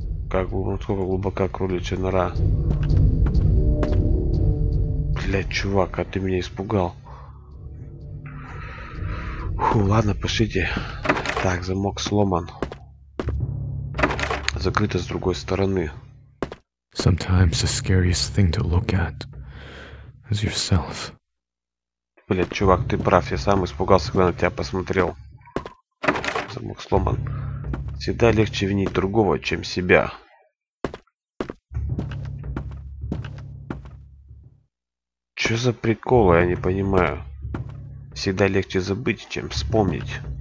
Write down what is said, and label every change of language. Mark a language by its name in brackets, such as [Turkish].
[Russian] Как насколько глубока кроличья нора. Блять, чувак, а ты меня испугал. Фу, ладно, пошлите. Так, замок сломан. Закрыто с другой стороны. [English] Sometimes the scariest thing to look at is yourself. [Russian] Блять, чувак, ты прав, я сам испугался, когда на тебя посмотрел. Замок сломан. Всегда легче винить другого, чем себя. Что за приколы, я не понимаю. Всегда легче забыть, чем вспомнить.